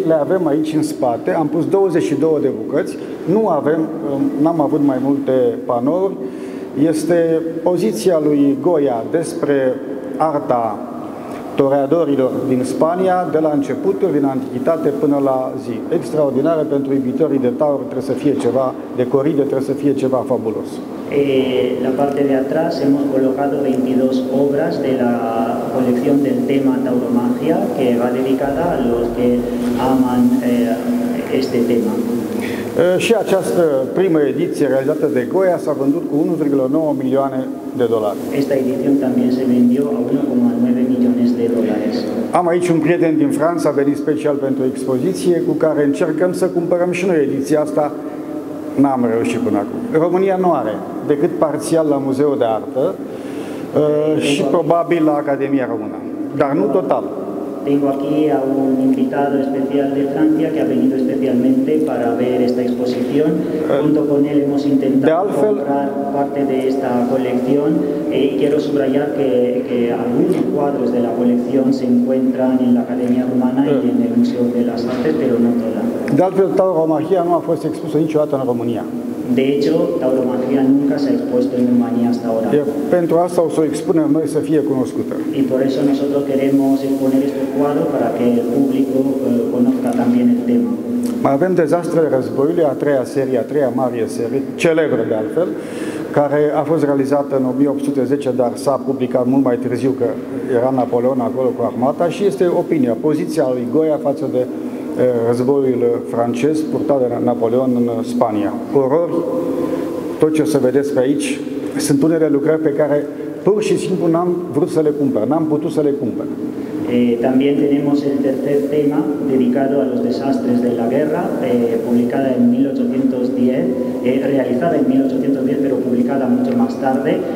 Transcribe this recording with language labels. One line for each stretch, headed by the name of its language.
Romanian: Le avem aici în spate, am pus 22 de bucăți, nu avem, n-am avut mai multe panouri. Este poziția lui Goya despre arta toreadorilor din Spania, de la începutul, din antichitate până la zi. Extraordinară pentru iubitorii de taur, trebuie să fie ceva de coride, trebuie să fie ceva fabulos.
Spanish: La parte de atrás hemos colocado 22 obras de la colección del tema Tauromaquia, que va dedicada a los que aman este tema.
Romanian: Și această primă ediție realizată de Goya s-a vândut cu 1,9 milioane de dolari.
Spanish: Esta edición también se vendió a 1,9 millones de dólares.
Romanian: Am aici un prieten din Franța, a venit special pentru expoziție, cu care încercăm să cumpărăm și noi ediția asta. N-am reușit până acum. România nu are, decât parțial la Muzeul de Artă și probabil la Academia Română, dar nu total.
Spanish: Tengo aquí a un invitado especial de Francia que ha venido especialmente para ver esta exposición. Junto con él hemos intentado
Romanian: altfel,
Spanish: comprar parte de esta colección y quiero subrayar que algunos cuadros de la colección se encuentran en la Academia Rumana y en el Museo de las Artes, pero no toda.
Romanian: De altfel, tauromagia nu a fost expusă niciodată în România.
Spanish: De hecho, tauromagia nunca s-a expuesto en Rumanía hasta ahora.
Romanian: Iar pentru asta o să o expunem noi să fie cunoscută.
Spanish: Y por eso nosotros queremos exponer este cuadro para que el público conozca también el tema.
Romanian: Mai avem Dezastrele Războiului, a treia serie, a treia mare serie, celebră de altfel, care a fost realizată în 1810, dar s-a publicat mult mai târziu, că era Napoleon acolo cu armata, și este opinia, poziția lui Goya față de războiul francez purtat de Napoleon în Spania. Orori, tot ce o să vedeți pe aici, sunt unele lucrări pe care pur și simplu n-am vrut să le cumpăr, n-am putut să le cumpăr.
Spanish: También tenemos el tercer tema dedicado a los desastres de la guerra, publicada en 1810, realizada en 1810, pero publicada mucho más tarde.